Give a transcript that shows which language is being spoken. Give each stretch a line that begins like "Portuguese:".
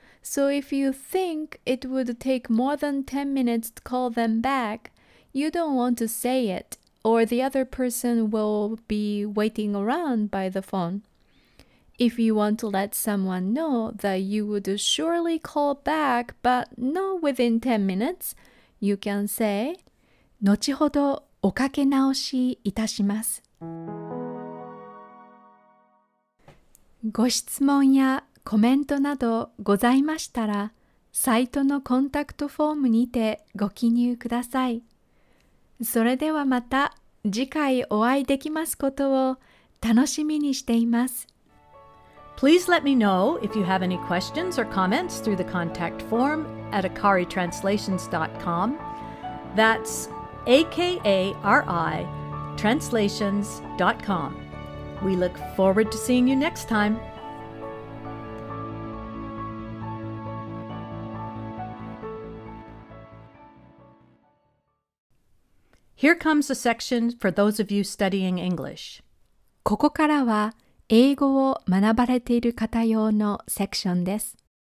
English: So if you think it would take more than 10 minutes to call them back, you don't want to say it. Or the other person will be waiting around by the phone. If you want to let someone know that you would surely call back, but not within 10 minutes, you can say,
Japanese: 後ほどおかけ直しいたします。ご質問やコメントなどございましたら、サイトのコンタクトフォームにてご記入ください。それではまた。次回お会いできますことを楽しみにしています。
English: Please let me know if you have any questions or comments through the contact form at akaritranslations.com. That's akaritranslations.com. We look forward to seeing you next time. Here comes a section for those of you studying English.
Japanese: ここからは英語を学ばれている方用のセクションです。